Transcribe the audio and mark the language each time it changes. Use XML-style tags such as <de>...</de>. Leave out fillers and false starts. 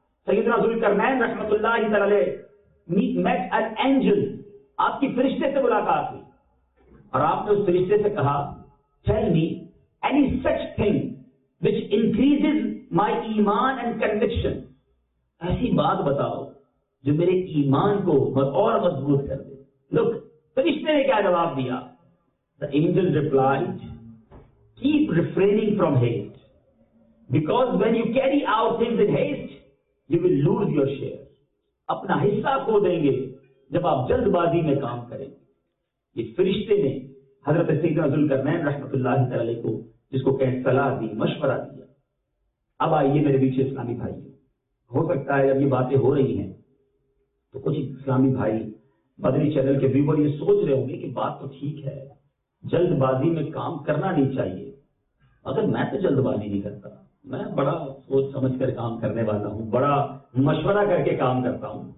<ur>سیدنا ذوالقرنین رحمۃ اللہ تعالی</ur> <en>met an angel,</en> <ur>آپ کی فرشتے سے ملاقات ہوئی، اور آپ نے اس فرشتے سے کہا،</ur> <en>Tell me any such thing which increase my ایمان and conviction.</en> <ur>ایسی بات بتاؤ جو میرے ایمان کو اور مضبوط کر دے. لک، فرشتے نے کیا جواب دیا؟</ur> <en>The angel replied, keep refraining from haste, because when you carry out things in haste, you will lose your share.</en> <ur>اپنا حصہ کھو دیں گے جب آپ جلد بازی میں کام کریں گے. یہ فرشتے نے حضرت سیدنا ذوالقرنین رحمۃ اللہ تعالی کو جس کو کہیں صلاح دی، مشورہ دیا. اب آئیے میرے بیچے اسلامی بھائی، ہو سکتا ہے جب یہ باتیں ہو رہی ہیں تو کچھ اسلامی بھائی مدنی چینل کے ویور یہ سوچ رہے ہوں گے کہ بات تو ٹھیک ہے، جلد بازی میں کام کرنا نہیں چاہیے، مگر میں تو جلد بازی نہیں کرتا، میں بڑا سوچ سمجھ کر کام کرنے والا ہوں، بڑا مشورہ کر کے کام کرتا ہوں.</ur>